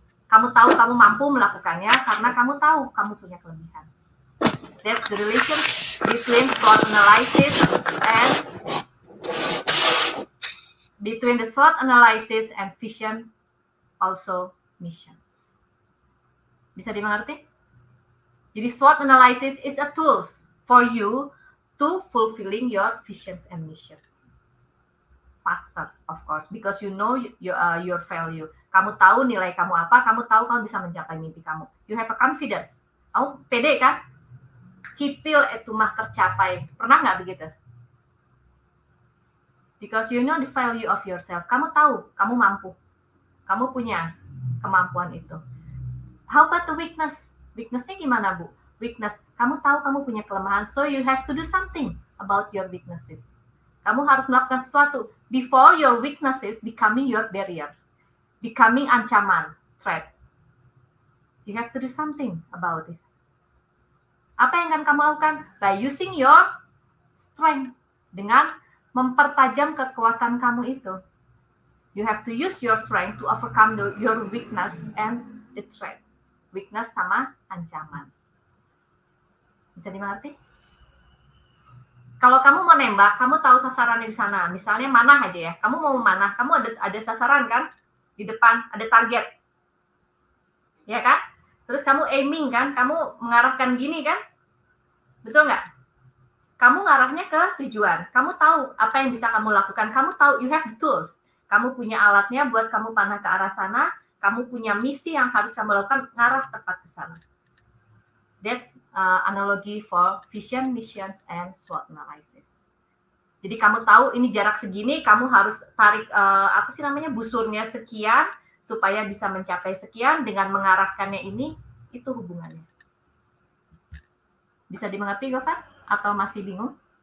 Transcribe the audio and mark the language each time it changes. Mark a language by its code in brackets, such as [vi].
[id] Kamu tahu kamu mampu melakukannya karena kamu tahu kamu punya kelebihan. [en] That's the relation between SWOT analysis and between the SWOT analysis and vision also missions. [id] Bisa dimengerti? [en] Jadi SWOT analysis is a tool for you to fulfilling your visions and missions faster, of course, because you know your value. [id] Kamu tahu nilai kamu apa, kamu tahu kamu bisa mencapai mimpi kamu. [en] You have a confidence. [id] Kamu pede kan? Cipil itu mah tercapai. Pernah nggak begitu? [en] Because you know the value of yourself. [id] Kamu tahu, kamu mampu. Kamu punya kemampuan itu. [en] How about the weakness? [id] Weaknessnya gimana, Bu? [en] Weakness. [id] Kamu tahu kamu punya kelemahan, [en] so you have to do something about your weaknesses. [id] Kamu harus melakukan sesuatu [en] before your weaknesses becoming your barriers, becoming ancaman, threat. You have to do something about this. [id] Apa yang akan kamu lakukan? [en] By using your strength, [id] dengan mempertajam kekuatan kamu itu. [en] You have to use your strength to overcome your weakness and the threat. [id] Weakness sama ancaman. Bisa dimengerti? Kalau kamu mau nembak, kamu tahu sasarannya di sana. Misalnya manah aja ya. Kamu mau manah, kamu ada sasaran kan? Di depan, ada target. Ya kan? Terus kamu aiming kan? Kamu mengarahkan gini kan? Betul nggak? Kamu ngarahnya ke tujuan. Kamu tahu apa yang bisa kamu lakukan. Kamu tahu, [en] you have the tools. [id] kamu punya alatnya buat kamu panah ke arah sana, kamu punya misi yang harus kamu lakukan ngarah tepat ke sana. [en] That's analogy for vision, missions, and SWOT analysis. [id] Jadi kamu tahu ini jarak segini, kamu harus tarik busurnya sekian supaya bisa mencapai sekian dengan mengarahkannya ini, itu hubungannya. Bisa dimengerti, Govan? Atau masih bingung?